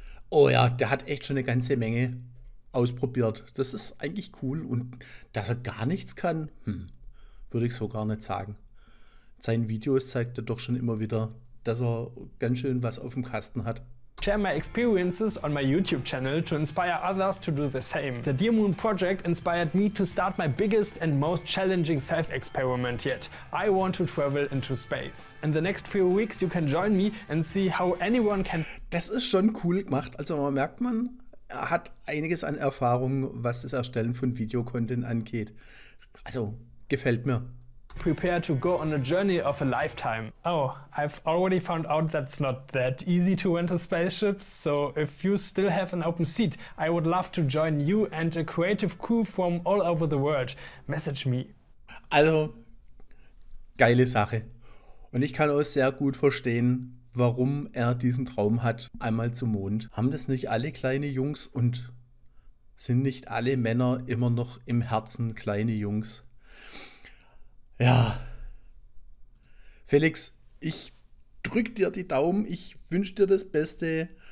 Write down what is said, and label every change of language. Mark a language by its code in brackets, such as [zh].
[de] Oh ja, der hat echt schon eine ganze Menge ausprobiert. Das ist eigentlich cool. Und dass er gar nichts kann, würde ich so gar nicht sagen. Seinen Videos zeigt er doch schon immer wieder, dass er ganz schön was auf dem Kasten hat. [en] Share my experiences on my YouTube channel to inspire others to do the same. The Dear Moon Project inspired me to start my biggest and most challenging self-experiment yet. I want to travel into space. In the next few weeks you can join me and see how anyone can... [de] Das ist schon cool gemacht. Also man merkt man... Er hat einiges an Erfahrung, was das Erstellen von Videocontent angeht. Also, gefällt mir. [en] Prepare to go on a journey of a lifetime. Oh, I've already found out that's not that easy to rent a spaceship. So if you still have an open seat, I would love to join you and a creative crew from all over the world. Message me. [de] Also, geile Sache. Und ich kann auch sehr gut verstehen, warum er diesen Traum hat, einmal zum Mond. Haben das nicht alle kleine Jungs und sind nicht alle Männer immer noch im Herzen kleine Jungs? Ja, Felix, ich drück dir die Daumen, ich wünsche dir das Beste.